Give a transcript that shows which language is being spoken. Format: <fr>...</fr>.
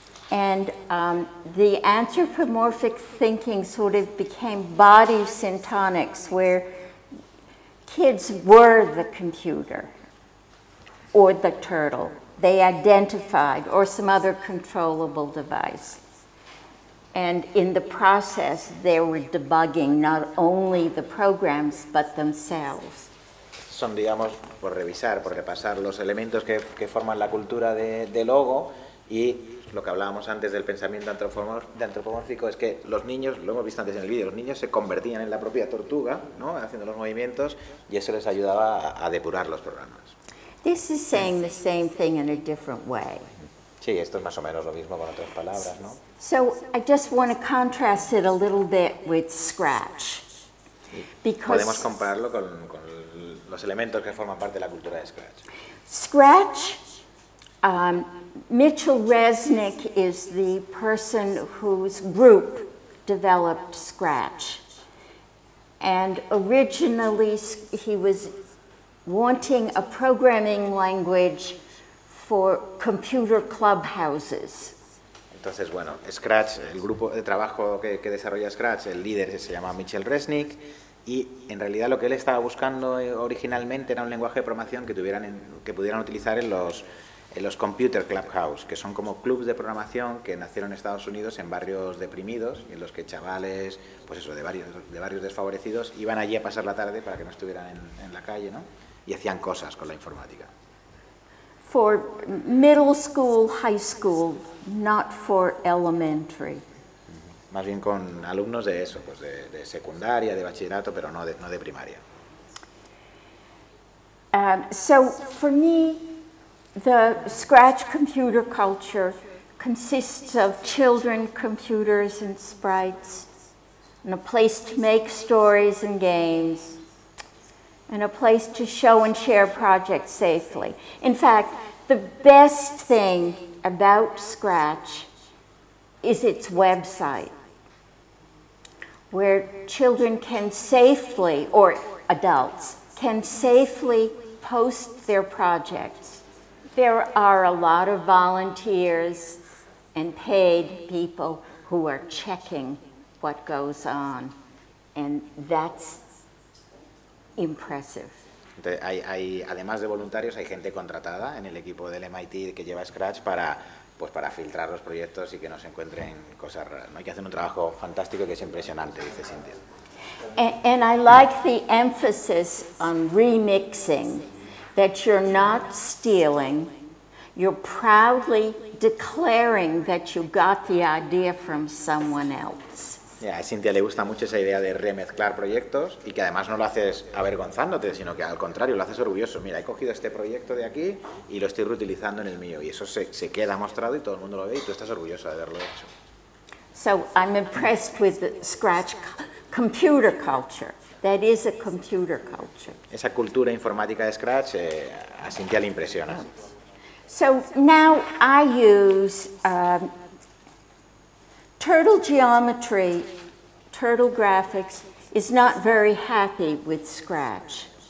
<en>And the anthropomorphic thinking sort of became body syntonics, where kids were the computer or the turtle. They identified, or some other controllable device. And in the process, they were debugging not only the programs, but themselves.</en> <es>Son, digamos, por revisar, por repasar los elementos que forman la cultura de logo, y lo que hablábamos antes del pensamiento antropomórfico es que los niños, lo hemos visto antes en el vídeo, los niños se convertían en la propia tortuga, ¿no?, haciendo los movimientos, y eso les ayudaba a depurar los programas.</es> <en>This is saying the same thing in a different way.</en> <es>Sí, esto es más o menos lo mismo con otras palabras, ¿no?</es> <en>So I just want to contrast it a little bit with Scratch. Because</en> <es>podemos compararlo con los elementos que forman parte de la cultura de Scratch.</es> <en>Scratch, Mitchell Resnick is the person whose group developed Scratch. And originally he was wanting a programming language for computer clubhouses.</en> <es>Entonces, bueno, Scratch, el grupo de trabajo que desarrolla Scratch, el líder se llama Mitchell Resnick, y en realidad lo que él estaba buscando originalmente era un lenguaje de programación que pudieran utilizar en los computer clubhouse, que son como clubs de programación que nacieron en Estados Unidos en barrios deprimidos, en los que chavales, pues eso, de barrios desfavorecidos, iban allí a pasar la tarde para que no estuvieran en la calle, ¿no? Y hacían cosas con la informática.</es> <en>For middle school, high school, not for elementary.</en> <es>Más bien con alumnos de eso, pues de secundaria, de bachillerato, pero no de primaria.</es> <en>So for me, the Scratch computer culture consists of children, computers, and sprites, and a place to make stories and games, and a place to show and share projects safely. In fact, the best thing about Scratch is its website, where children can safely, or adults, can safely post their projects. There are a lot of volunteers and paid people who are checking what goes on, and that's impressive.</en> <es>Hay, además de voluntarios, hay gente contratada en el equipo del MIT que lleva Scratch para filtrar los proyectos y que no se encuentren cosas raras, ¿no? Y que hacen un trabajo fantástico que es impresionante, dice Cynthia.</es> <en>And I like the emphasis on remixing, that you're not stealing, you're proudly declaring that you got the idea from someone else. Yeah,</en> <es>a Cynthia le gusta mucho esa idea de remezclar proyectos y que además no lo haces avergonzándote, sino que al contrario, lo haces orgulloso. Mira, he cogido este proyecto de aquí y lo estoy reutilizando en el mío. Y eso se queda mostrado y todo el mundo lo ve y tú estás orgullosa de haberlo hecho.</es> <en>So I'm impressed with the Scratch computer culture. That is a computer culture.</en> <es>Esa cultura informática de Scratch a Cynthia le impresiona.</es> <en>So now I use Turtle geometry, Turtle graphics, is not very happy with Scratch.</en>